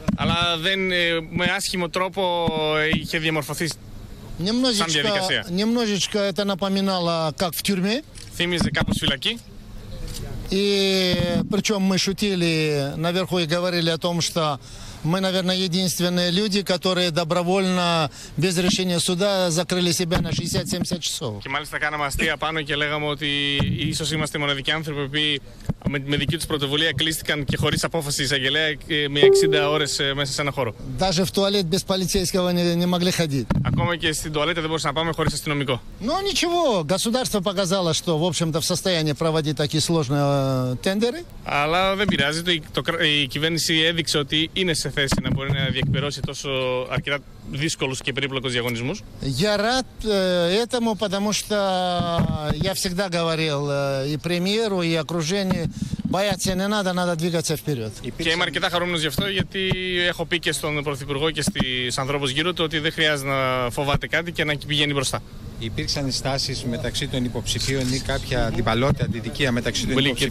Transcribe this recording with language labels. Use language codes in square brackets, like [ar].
[el] Αλλά δεν, με άσχημο τρόπο είχε διαμορφωθεί σαν διαδικασία. [ru] Немножечко это напоминало, как в тюрьме. [el] Θύμιζε κάπως φυλακή. [ru] И причем мы шутили наверху и говорили о том, что мы, наверное, единственные люди, которые добровольно, без решения суда, закрыли себя на 60-70 часов. [el] Και μάλιστα κάναμε αστεία πάνω και λέγαμε ότι ίσως είμαστε μοναδικοί άνθρωποι που με δική τους πρωτοβουλία κλείστηκαν και χωρίς απόφαση εισαγγελέα με 60 ώρες μέσα σε ένα χώρο. [ru] Даже в туалет без полицейского не могли ходить. [el] Ακόμα και στην τουαλέτα δεν μπορούσαμε να πάμε χωρίς αστυνομικό. [ru] Ну ничего, государство показало, что, в общем-то, в состоянии проводить такие сложные тендеры. [el] Αλλά δεν πειράζει, η κυβέρνηση έδειξε ότι είναι σε θέση να μπορεί να διεκπαιρώσει τόσο αρκετά δύσκολους και περίπλοκους διαγωνισμούς. [ru] Я рад этому, потому что я всегда говорил и премьеру, и окружению, бояться не надо, надо двигаться вперед. [el] Και είμαι αρκετά χαρούμενος γι' αυτό, γιατί έχω πει και στον Πρωθυπουργό και στους ανθρώπους γύρω του ότι δεν χρειάζεται να φοβάται κάτι και να πηγαίνει μπροστά. Υπήρξαν στάσεις μεταξύ των υποψηφίων ή κάποια αντιπαλότητα, αντιδικία μεταξύ των υποψηφίων